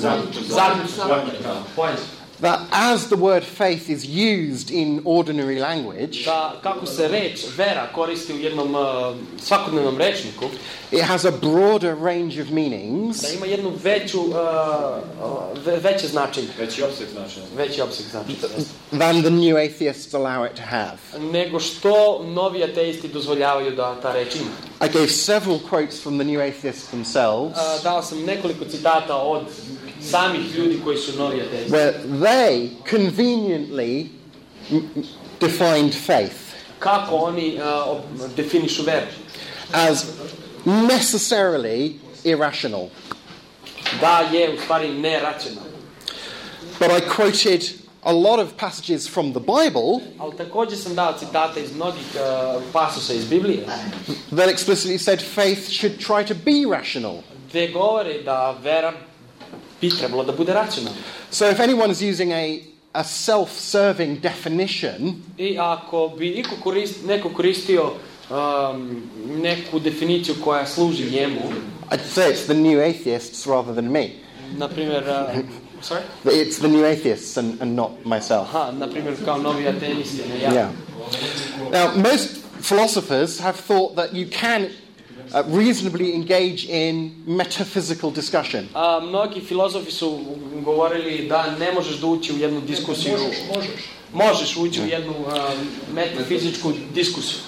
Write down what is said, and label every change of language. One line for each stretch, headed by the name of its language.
English: That as the word faith is used in ordinary language,
Serbian: kako se reč vera koristi u jednom svakodnevnom rečniku,
English: it has a broader range of meanings.
Serbian: Da ima jednu veće značenje. Veći opseg značenja.
English: Than the new atheists allow it to have.
Serbian: Nego što novi ateisti dozvoljavaju da ta reč ima.
English: I gave several quotes from the new atheists themselves.
Serbian: Dao sam nekoliko citata od samih ljudi koji su novi ateisti.
English: Where they conveniently defined faith.
Serbian: Kako oni definišu veru?
English: As necessarily irrational.
Serbian: Da je u stvari neracional.
English: But I quoted a lot of passages from the Bible.
Serbian: Al također sam dao citate iz mnogih pasusa iz Biblije.
English: That explicitly said faith should try to be rational.
Serbian: Gde govori da vera bi trebalo da bude racional.
English: So if anyone is using a self-serving definition,
Serbian: i ako bi neko koristio neku definiciju koja služi njemu,
English: I'd say it's the new atheists rather than me.
Serbian: Na primjer,
English: sorry? It's the new atheists and not myself.
Serbian: Ha, na primjer, kao novi ateisti, ne ja.
English: Yeah. Now, most philosophers have thought that you can reasonably engage in metaphysical discussion.
Serbian: Mnogi filozofi su govorili da ne možeš da ući u jednu diskusiju. Možeš ući u jednu metafizičku diskusiju.